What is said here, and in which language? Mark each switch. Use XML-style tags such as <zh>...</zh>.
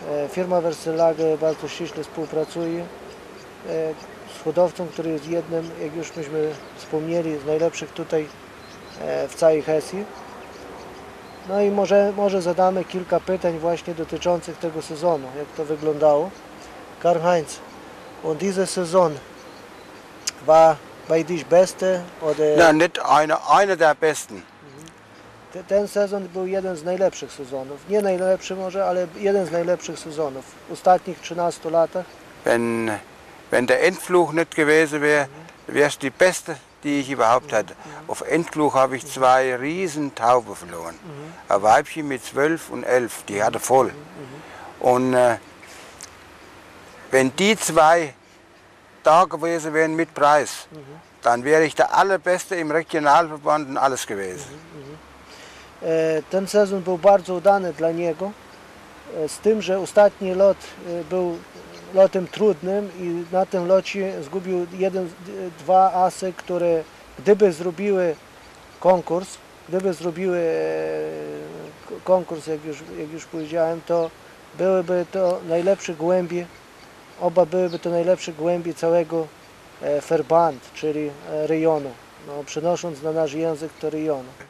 <pl>Firma Wersellage bardzo ściśle współpracuje z hodowcą, który jest jednym, jak już myśmy wspomnieli, z najlepszych tutaj w całej Hesji. No i może zadamy kilka pytań właśnie dotyczących tego sezonu, jak to wyglądało.</pl> <de>Karlheinz, on diese Saison war bei dich beste oder? Na, nicht eine der besten.</de> <pl>Ten sezon był jeden z najlepszych sezonów. Nie najlepszy może, ale jeden z najlepszych sezonów w ostatnich 13 latach.</pl> <de>Wenn der Endfluch nicht gewesen wäre, wär's die beste, die ich überhaupt hatte. Auf Endfluch habe ich zwei riesen Tauben verloren. Ein Weibchen mit 12 und 11, die hatte voll. Und wenn die zwei da gewesen wären mit Preis, dann wäre ich der allerbeste im Regionalverband und alles gewesen.</de> <pl>Ten sezon był bardzo udany dla niego, z tym, że ostatni lot był lotem trudnym i na tym locie zgubił dwa asy, które gdyby zrobiły konkurs, jak już powiedziałem, to byłyby to najlepsze głębie, oba byłyby to najlepsze głębie całego Verband, czyli rejonu, no, przenosząc na nasz język to rejonu.</pl>